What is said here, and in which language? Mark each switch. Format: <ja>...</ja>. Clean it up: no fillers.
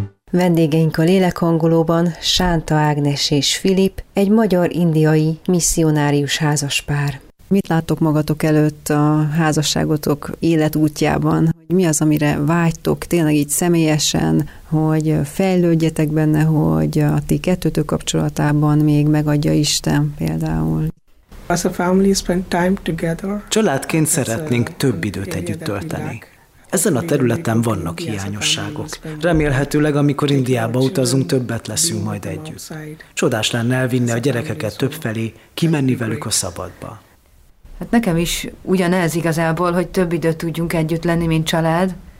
<hu>Vendégeink a Lélekhangolóban Sánta Ágnes és Filip, egy magyar-indiai misszionárius házaspár. Mit láttok magatok előtt a házasságotok életútjában? Mi az, amire vágytok tényleg így személyesen, hogy fejlődjetek benne, hogy a ti kettőtök kapcsolatában még megadja Isten például?</hu> <en>As a family spend time together.</en> <hu>Családként szeretnénk több időt együtt tölteni. Ezen a területen vannak hiányosságok. Remélhetőleg, amikor Indiába utazunk, többet leszünk majd együtt. Csodás lenne elvinni a gyerekeket többfelé, kimenni velük a szabadba. Hát nekem is ugyanez igazából, hogy több időt tudjunk együtt lenni, mint család.</hu>